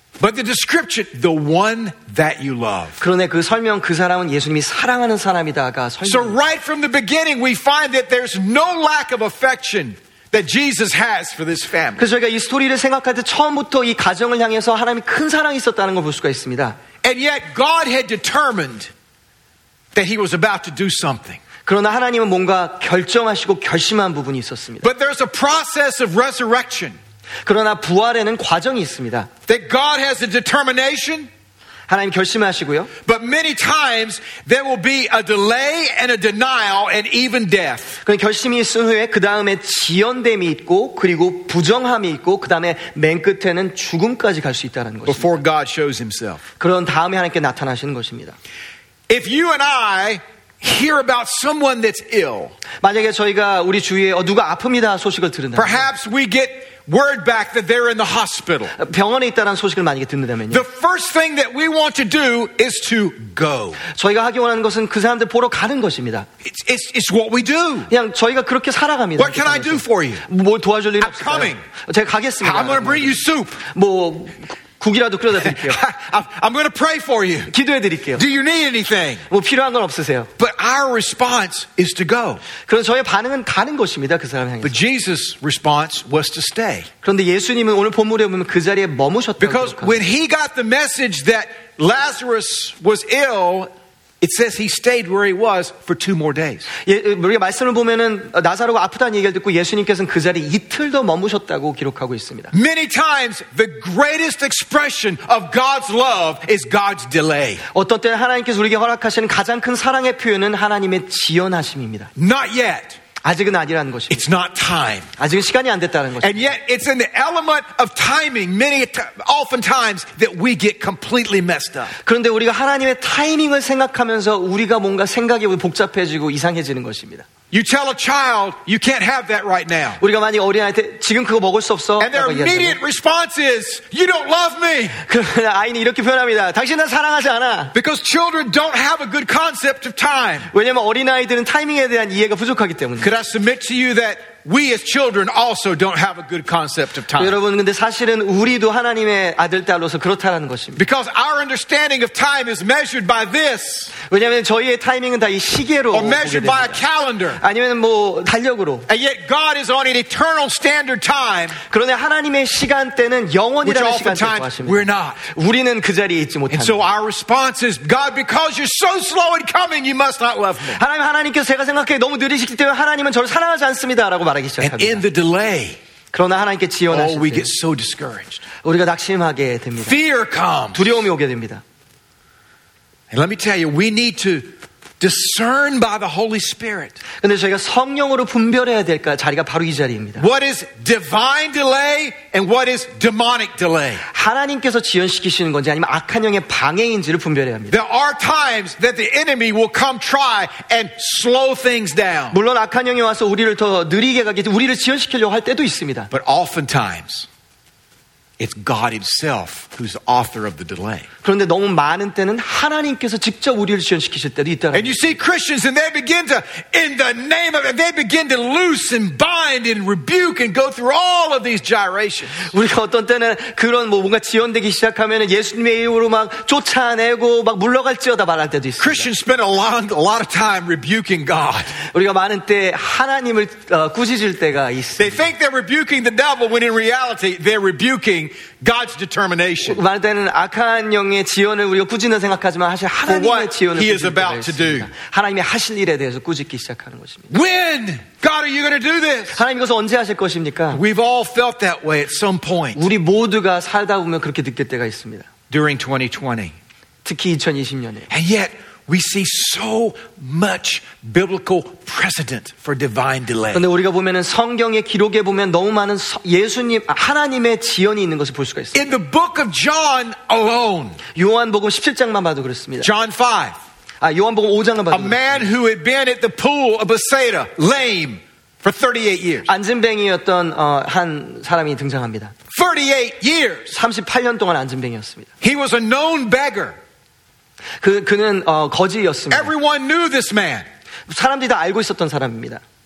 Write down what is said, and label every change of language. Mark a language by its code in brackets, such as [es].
[en] But the description, the one that you love. [ko] 그런데 그 설명, 그 사람은 예수님이 사랑하는 사람이다가 설명. [en] So right from the beginning, we find that there's no lack of affection that Jesus has for this family. [ko] 그래서 우리가 이 스토리를 생각할 때 처음부터 이 가정을 향해서 하나님이 큰 사랑이 있었다는 걸 볼 수가 있습니다. [en] And yet God had determined that He was about to do something. [ko] 그러나 하나님은 뭔가 결정하시고 결심한 부분이 있었습니다. [en] But there's a process of resurrection. [ko] 그러나 부활에는 과정이 있습니다. [en] That God has a determination. [ko] 하나님 결심하시고요. [en] But many times there will be a delay and a denial and even death. [ko] 그 결심이 있은 후에 그 다음에 지연됨이 있고 그리고 부정함이 있고 그 다음에 맨 끝에는 죽음까지 갈 수 있다는 것입니다. [en] Before God shows Himself. [ko] 그런 다음에 하나님께 나타나시는 것입니다. [en] If you and I hear about someone that's ill. [ko] 만약에 저희가 우리 주위에 누가 아픕니다 소식을 들은다. [en] Perhaps we get word back that they're in the hospital. [ko] 병원에 있다라는 소식을 만약에 듣는다면요. [en] The first thing that we want to do is to go. [ko] 저희가 하기 원하는 것은 그 사람들 보러 가는 것입니다. [en] It's what we do. [ko] 그냥 저희가 그렇게 살아갑니다. [en] What can I do for you? [ko] 뭘 도와줄 일 없어요. [en] I'm coming. [ko] 제가 가겠습니다. [en] I'm going to bring you soup. [ko] 뭐 국이라도 끓여다 드릴게요. [en] I'm going to pray for you. [ko] 기도해 드릴게요. [en] Do you need anything? [ko] 뭐 필요한 건 없으세요. [en] But our response is to go. [ko] 그래서 저희 반응은 가는 것입니다. 그 사람 향해서. [en] But Jesus' response was to stay. [ko] 그런데 예수님은 오늘 본문에 보면 그 자리에 머무셨다고. [en] Because when he got the message that Lazarus was ill, it says he stayed where he was for two more days. [ko] 예, 우리가 말씀을 보면은 나사로가 아프다는 얘기를 듣고 예수님께서는 그 자리 이틀도 머무셨다고 기록하고 있습니다. [en] Many times the greatest expression of God's love is God's delay. [ko] 어떤 때 하나님께서 우리에게 허락하시는 가장 큰 사랑의 표현은 하나님의 지연하심입니다. [en] Not yet. [ko] 아직은 아니라는 것입니다. [en] It's not time. [ko] 아직은 시간이 안 됐다는 것입니다. [en] And yet it's an element of timing many often times that we get completely messed up. [ko] 그런데 우리가 하나님의 타이밍을 생각하면서 우리가 뭔가 생각이 복잡해지고 이상해지는 것입니다. [en] You tell a child you can't have that right now. [ko] 우리가 많이 어린아이한테 지금 그거 먹을 수 없어. [en] And their immediate response is, "You don't love me." [ko] 그러나 아이는 이렇게 표현합니다. 당신 나 사랑하지 않아. [en] Because children don't have a good concept of time. [ko] 왜냐면 어린아이들은 타이밍에 대한 이해가 부족하기 때문에. [en] Could I submit to you that we as children also don't have a good concept of time? [ko] 여러분, 근데 사실은 우리도 하나님의 아들 딸로서 그렇다는 것입니다. [en] Because our understanding of time is measured by this. [ko] 왜냐하면 저희의 타이밍은 다 이 시계로 [en] Or measured by a calendar. [ko] 아니면 뭐 달력으로. [en] And yet God is on an eternal standard time. [ko] 그런데 하나님의 시간대는 영원이라는 시간대라고 하십니다. [en] We're not. [ko] 우리는 그 자리에 있지 못합니다. [en] And so our response is, God, because you're so slow in coming, you must not love me. [ko] 하나님, 하나님께서 제가 생각해 너무 느리시기 때문에 하나님은 저를 사랑하지 않습니다. [en] And in the delay, [ko] 그러나 하나님께 지원하실 [en] 때, we get so discouraged. [ko] 우리가 낙심하게 됩니다. [en] Fear comes. [ko] 두려움이 오게 됩니다. [en] And let me tell you, we need to discern by the Holy Spirit. [ko] 근데 저희가 성령으로 분별해야 될까 자리가 바로 이 자리입니다. [en] What is divine delay and what is demonic delay? [ko] 하나님께서 지연시키시는 건지 아니면 악한 영의 방해인지를 분별해야 합니다. [en] There are times that the enemy will come try and slow things down. [ko] 물론 악한 영이 와서 우리를 더 느리게 가게 우리를 지연시키려고 할 때도 있습니다. [en] But oftentimes it's God himself who's the author of the delay. [ko] 그런데 너무 많은 때는 하나님께서 직접 우리를 지연시키실 때도 있다. [en] And you see Christians and they begin to in the name of it, they begin to loose and bind and rebuke and go through all of these gyrations. [ko] 우리가 어떤 때는 그런 뭐 뭔가 지연되기 시작하면은 예수님의 이름으로 막 쫓아내고 막 물러갈지어다 말할 때도 있어요. [en] Christians spend a lot of time rebuking God. [ko] 우리가 많은 때 하나님을 꾸짖을 때가 있어요. [en] They think they're rebuking the devil when in reality they're rebuking God's determination. [ko] 말 때는 악한 영의 지연을 우리가 꾸짖는 생각하지만 사실 하나님의 지연을 꾸짖습니다. 하나님이 하실 일에 대해서 꾸짖기 시작하는 것입니다. [en] When God are you going to do this? [ko] 하나님 이것을 언제 하실 것입니까? [en] We've all felt that way at some point. [ko] 우리 모두가 살다 보면 그렇게 느낄 때가 있습니다. [en] During 2020. [ko] 특히 2020년에. [en] And yet we see so much biblical precedent for divine delay. [ko] 근데 우리가 보면은 성경의 기록에 보면 너무 많은 예수님 하나님의 지연이 있는 것을 볼 수가 있어요. [en] In the book of John alone. [ko] 요한복음 17장만 봐도 그렇습니다. [en] John 5. [ko] 아, 요한복음 5장만 봐도. [en] A man who had been at the pool of Bethesda lame for 38 years. [ko] 앉은뱅이였던 한 사람이 등장합니다. [en] 38 years. [ko] 38년 동안 앉은뱅이였습니다. [en] He was a known beggar. [ko] 그는 거지였습니다. [en] Everyone knew this man. [ko] 사람들이 다 알고 있었던 사람입니다.